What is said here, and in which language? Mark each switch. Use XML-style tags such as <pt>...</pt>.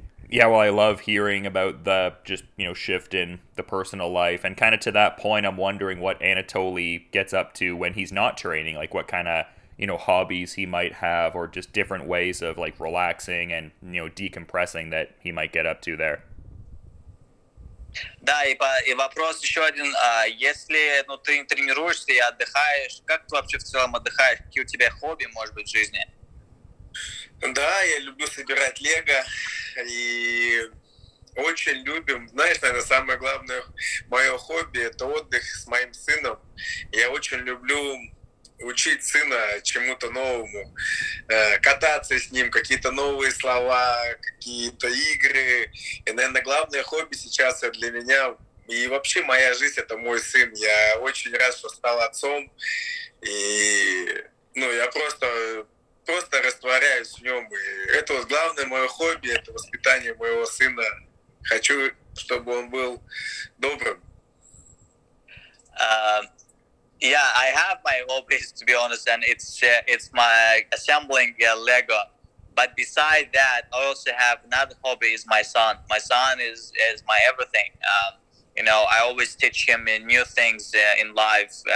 <en>Yeah, well, I love hearing about the just, you know, shift in the personal life. And kind of to that point, I'm wondering what Anatoly gets up to when he's not training, like what kind of, you know, hobbies he might have, or just different ways of like relaxing and, you know, decompressing that he might get up to there.</en> <ru>Да, и вопрос еще один. Если, ну, ты тренируешься и отдыхаешь, как ты вообще в целом отдыхаешь? Какие у тебя хобби, может быть, в жизни? Да, я люблю собирать лего и очень любим, знаешь, наверное, самое главное мое хобби — это отдых с моим сыном. Я очень люблю учить сына чему-то новому, кататься с ним, какие-то новые слова, какие-то игры. И, наверное, главное хобби сейчас для меня, и вообще моя жизнь — это мой сын. Я очень рад, что стал отцом. И, ну, я просто растворяюсь в нем. И это вот главное мое хобби — это воспитание моего сына. Хочу, чтобы он был добрым.</ru> <en>Yeah, I have my hobbies, to be honest, and it's my assembling Lego. But beside that, I also have another hobby, is my son. My son is my everything. You know, I always teach him new things in life.</en>